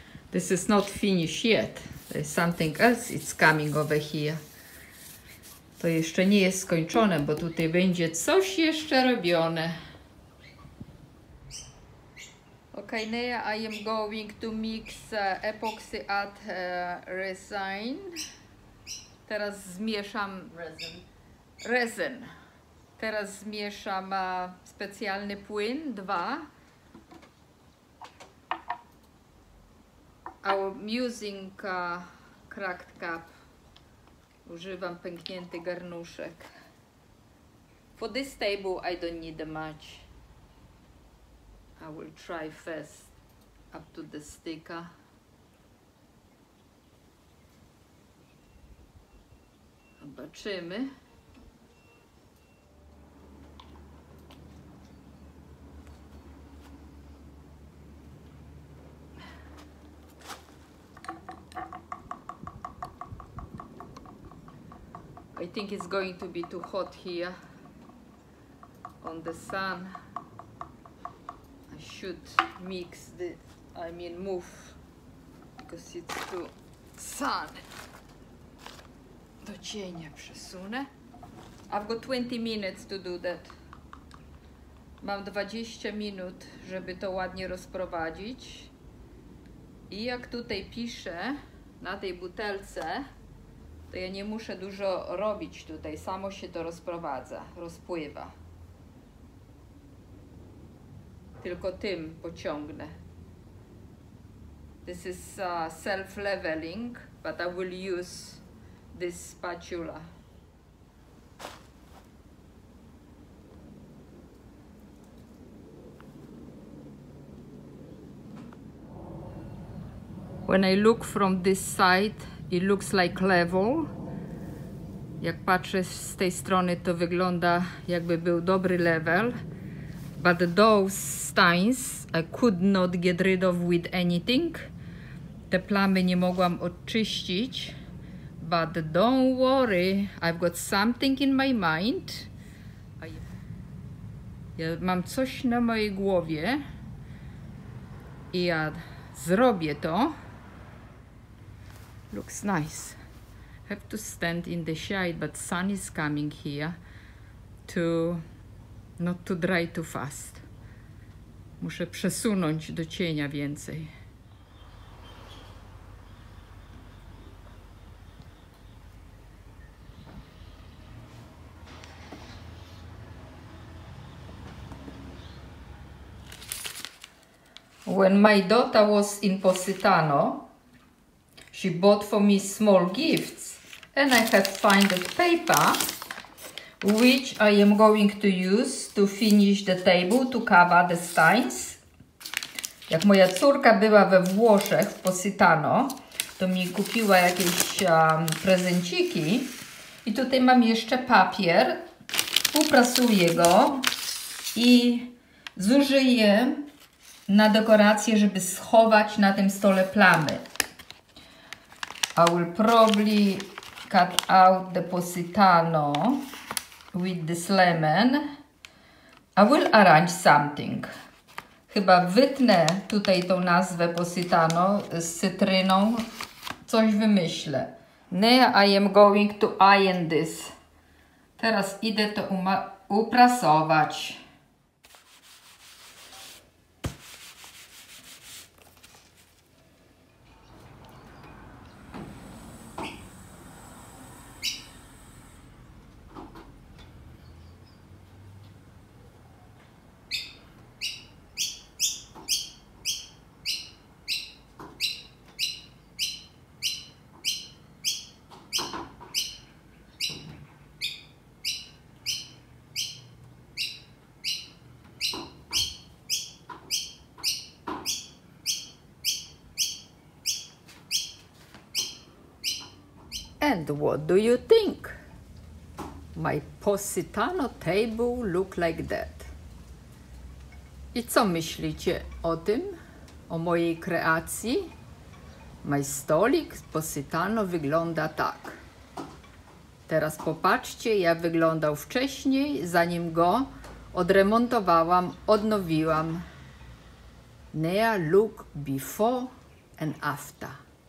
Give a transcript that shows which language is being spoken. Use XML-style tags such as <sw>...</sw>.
<en>This is not finished yet. There's something else it's coming over here.</en> <pl>To jeszcze nie jest skończone, bo tutaj będzie coś jeszcze robione.</pl> <en>Okay, Nea, I am going to mix epoxy at resin.</en> <pl>Teraz zmieszam</pl> <en>resin.</en> <pl>Teraz zmieszam specjalny płyn 2.</pl> <en>I'm using a cracked cup.</en> <pl>Używam pęknięty garnuszek.</pl> <en>For this table I don't need much. I will try first up to the sticker.</en> <pl>Zobaczymy.</pl> <en>I think it's going to be too hot here on the sun. I should mix the, I mean move, because it's too sun.</en> <pl>Do cienia przesunę.</pl> <en>I've got 20 minutes to do that.</en> <pl>Mam 20 minut, żeby to ładnie rozprowadzić. I jak tutaj piszę na tej butelce, to ja nie muszę dużo robić tutaj, samo się to rozprowadza, rozpływa. Tylko tym pociągnę.</pl> <en>This is self-leveling, but I will use this spatula. When I look from this side, it looks like level.</en> <pl>Jak patrzę z tej strony, to wygląda jakby był dobry level.</pl> <en>But those stains I could not get rid of with anything.</en> <pl>Te plamy nie mogłam odczyścić.</pl> <en>But don't worry, I've got something in my mind.</en> <pl>Ja mam coś na mojej głowie i ja zrobię to.</pl> <en>Looks nice. Have to stand in the shade, but sun is coming here to not to dry too fast.</en> <pl>Muszę przesunąć do cienia więcej.</pl> <en>When my daughter was in Positano, she bought for me small gifts, and I have found a paper which I am going to use to finish the table, to cover the stains.</en> <pl>Jak moja córka była we Włoszech, w Positano, to mi kupiła jakieś prezenciki. I tutaj mam jeszcze papier, uprasuję go i zużyję na dekorację, żeby schować na tym stole plamy.</pl> <en>I will probably cut out the Positano with this lemon. I will arrange something.</en> <pl>Chyba wytnę tutaj tą nazwę Positano z cytryną. Coś wymyślę.</pl> <en>Now I am going to iron this.</en> <pl>Teraz idę to uprasować.</pl> <en>And what do you think? My Positano table look like that.</en> <pl>I co myślicie o tym, o mojej kreacji? My stolik z Positano wygląda tak. Teraz popatrzcie, jak wyglądał wcześniej, zanim go odremontowałam, odnowiłam.</pl> <en>Now look before and after.</en>